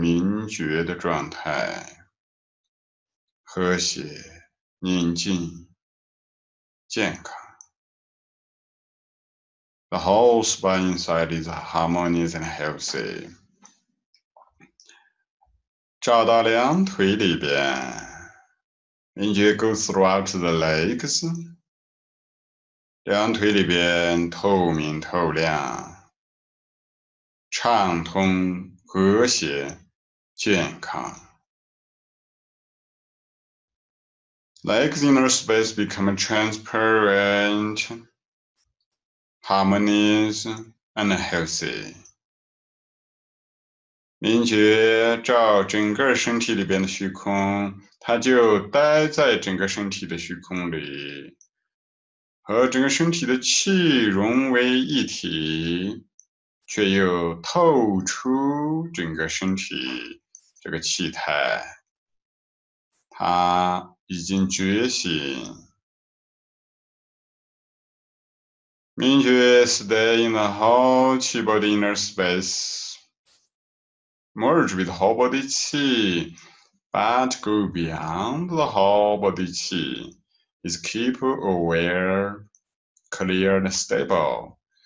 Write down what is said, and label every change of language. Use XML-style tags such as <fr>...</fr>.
<zh>整个脊柱里边变成了明觉的状态, 和谐宁静, 健康。</zh> <en>The whole spine inside is harmonious and healthy.</en> <zh>找到两腿里边,</zh> <en>Mingjue goes throughout the legs.</en> <zh>两腿里边透明透亮, 畅通和谐, 健康。</zh> <en>Legs inner space become transparent, harmonious, and healthy.</en> <zh>明觉照整个身体里边的虚空, 它就待在整个身体的虚空里, 和整个身体的气融为一体, 却又透出整个身体这个气态, 它已经觉醒。</zh> <en>Mingjue stay in the whole qi body inner space, merge with whole body qi, but go beyond the whole body qi, is keep aware, clear and stable.</en>